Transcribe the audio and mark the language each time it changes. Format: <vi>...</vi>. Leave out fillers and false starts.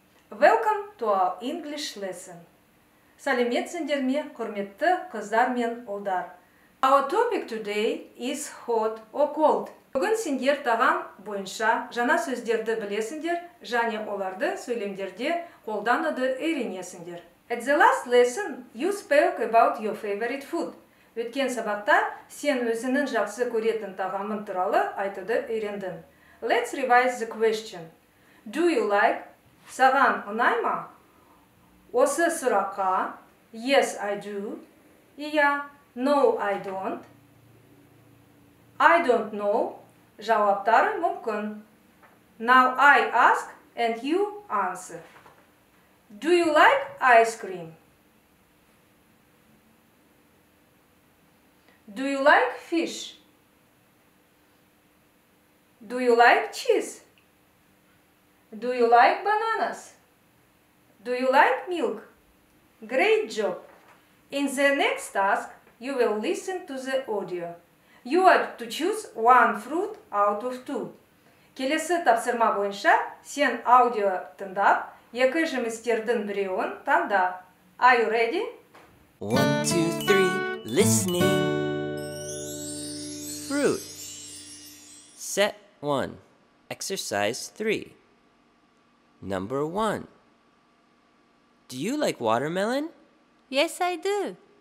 <en>Welcome to our English lesson.</en> <kk>Сәлеметсіңдер ме, құрметті қыздар мен ұлдар.</kk> <en>Our topic today is hot or cold.</en> <kk>Бүгін сендер таған бойынша жаңа сөздерді білесіңдер, және оларды сөйлемдерде қолдануды үйренесіңдер.</kk> <en>At the last lesson, you spoke about your favorite food.</en> <kk>Өткен сабақта сен өзіңнің жақсы көретін тағамын туралы айтуды үйрендің.</kk> <en>Let's revise the question. Do you like?</en> <kk>Саған ұнай ма? Осы сұраққа</kk> <en>Yes, I do. Ия, No, I don't. I don't know.</en> <kk>Жауаптары мүмкін.</kk> <en>Now I ask and you answer. Do you like ice cream? Do you like fish? Do you like cheese? Do you like bananas? Do you like milk? Great job! In the next task, you will listen to the audio. You are to choose one fruit out of two.</en> <kk>Келесі тапсырма бойынша, сен аудио тыңдап, екі жемістердің біреуін таңда.</kk> <en>Are you ready? One, two, three, listening. Fruit. Set. 1. Exercise 3. Number 1. Do you like watermelon? Yes, I do.</en>